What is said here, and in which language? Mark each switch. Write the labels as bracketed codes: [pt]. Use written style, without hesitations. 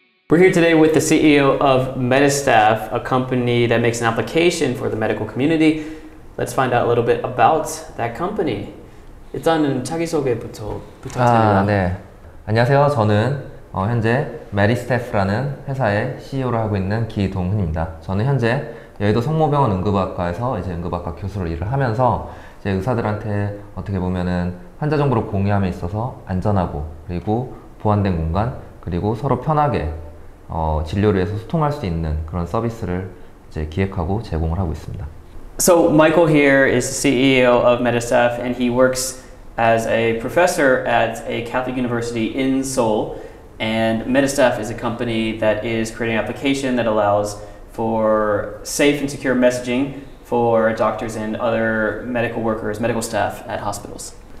[en] We're here today with the CEO of Medistaff, a company that makes an application for the medical community. Let's find out a little bit about that company. [ko] 일단은 자기소개부터 부탁드립니다. 아, 네. 안녕하세요. 저는 현재 Medistaff라는 회사의 CEO를 하고 있는 기동훈입니다. 저는 현재 여의도 성모병원 응급학과에서 이제 응급학과 교수로 일을 하면서 이제 의사들한테 어떻게 보면은 환자 정보를 공유함에 있어서 안전하고 그리고 보완된 공간 그리고 서로 편하게 진료를 위해서 소통할 수 있는 그런 서비스를 이제 기획하고 제공을 하고 있습니다. [en] So Michael here is the CEO of Medistaff and he works as a professor at a Catholic university in Seoul. And Medistaff is a company that is creating an application that allows for safe and secure messaging for doctors and other medical workers, medical staff at hospitals.